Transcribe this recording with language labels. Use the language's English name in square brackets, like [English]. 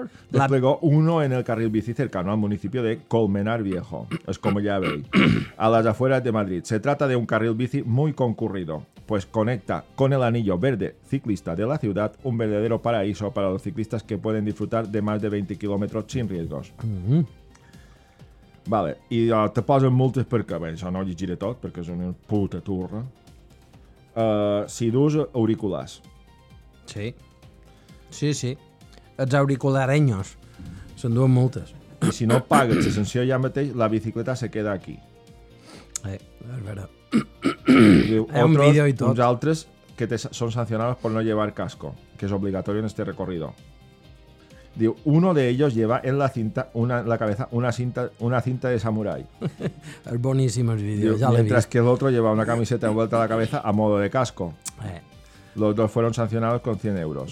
[Spanish] Desplegó uno en el carril bici cercano al municipio de Colmenar Viejo. Es como ya veis. A las afueras de Madrid. Se trata de un carril bici muy concurrido, pues conecta con el anillo verde ciclista de la ciudad, un verdadero paraíso para los ciclistas que pueden disfrutar de más de 20 kilómetros sin riesgos. [Catalan] Vale, y te posen multes perquè, bé, això no ho llegiré tot, perquè és una puta turra. Si dus auriculars. Sí. Sí, sí. Els auriculareños. Se'n duen multes. I si no pagues la sanció ja mateix, [Spanish] la bicicleta se queda aquí. [Catalan] És vera. [Spanish] Hay un vídeo [Catalan] i tot. Uns altres que són sancionats per no llevar casco, que és obligatori [Spanish] en este recorrido. Digo, uno de ellos lleva en la cinta una la cabeza una cinta de samurái. Es buenísimo el vídeo, ya lo he visto. Que el otro lleva una camiseta envuelta a la cabeza a modo de casco. Los dos fueron sancionados con 100 euros.